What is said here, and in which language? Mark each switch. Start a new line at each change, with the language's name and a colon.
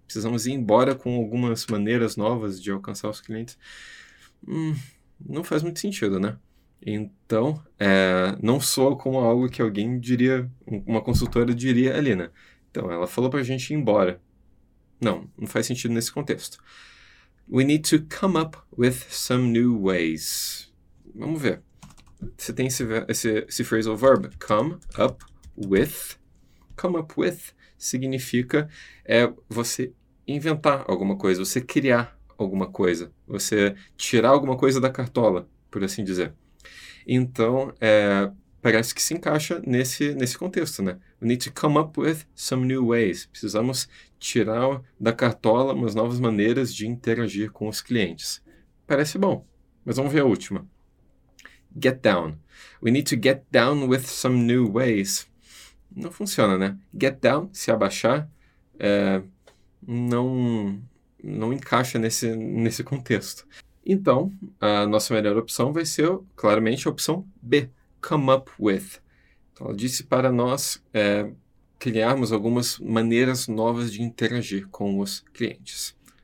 Portuguese: Precisamos ir embora com algumas maneiras novas de alcançar os clientes. Não faz muito sentido, né? Então, não soa como algo que alguém diria, uma consultora diria ali, né? Então, ela falou para a gente ir embora. Não faz sentido nesse contexto.
English: We need to come up with some new ways.
Portuguese: Vamos ver. Você tem esse phrasal verb, come up with. Come up with significa você inventar alguma coisa, você criar alguma coisa, você tirar alguma coisa da cartola, por assim dizer. Então, parece que se encaixa nesse contexto, né?
English: We need to come up with some new ways.
Portuguese: Precisamos tirar da cartola umas novas maneiras de interagir com os clientes. Parece bom, mas vamos ver a última. Get down.
English: We need to get down with some new ways.
Portuguese: Não funciona, né? Get down, se abaixar, não encaixa nesse contexto. Então, a nossa melhor opção vai ser, claramente, a opção B, come up with. Então, ela disse para nós criarmos algumas maneiras novas de interagir com os clientes.